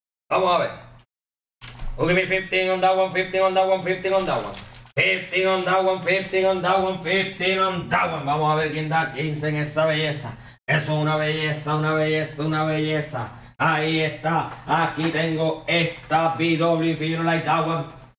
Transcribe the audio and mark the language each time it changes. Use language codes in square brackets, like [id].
[es] Vamos a ver. [en] Who give me 15 on that one, 15 on that one, 15 on that one. 15 on that one, 15 on that one, 15 on that one. [es] Vamos a ver quién da 15 en esa belleza. Eso es una belleza, una belleza, una belleza. Ahí está. Aquí tengo esta BW, [en] if you don't like that one.